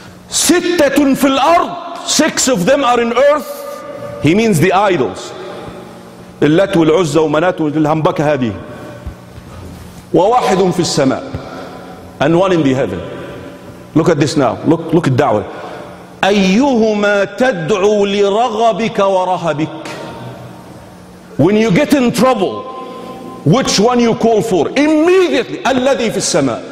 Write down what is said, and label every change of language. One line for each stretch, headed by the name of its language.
Arabic: ستة في الأرض,
English: 6 of them are in earth. He means the idols.
Arabic: اللات والعزة ومنات والهمبكة هذه. وواحد في السماء.
English: And one in the heaven. Look at this now. Look at الدعوة.
Arabic: أيهما تدعو لرغبك ورهبك.
English: When you get in trouble, which one you call for?
Arabic: Immediately, الذي في السماء.